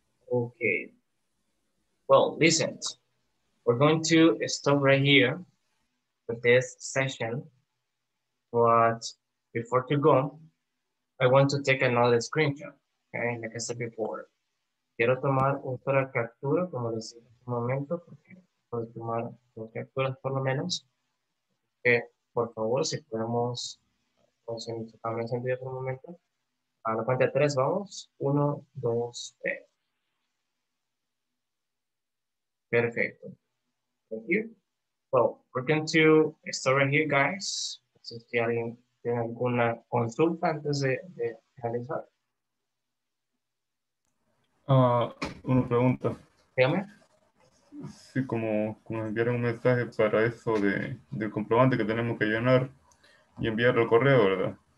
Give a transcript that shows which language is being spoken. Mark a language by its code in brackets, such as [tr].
[en] Okay. Well, listen. We're going to stop right here with this session. But before to go, I want to take another screenshot. Okay, like I said before. [es] Quiero tomar otra captura, como decía en este momento, porque puedo tomar dos capturas por lo menos. Okay, por favor, si podemos también sentir por un momento. A la cuenta de tres, vamos. Uno, dos, tres. Perfecto. [en] Thank you. Well, we're going to start right here, guys. [es] Si alguien tiene alguna consulta antes de realizar. Una pregunta. Dígame. Sí, como enviar un mensaje para eso del comprobante que tenemos que llenar y enviarlo al correo, ¿verdad?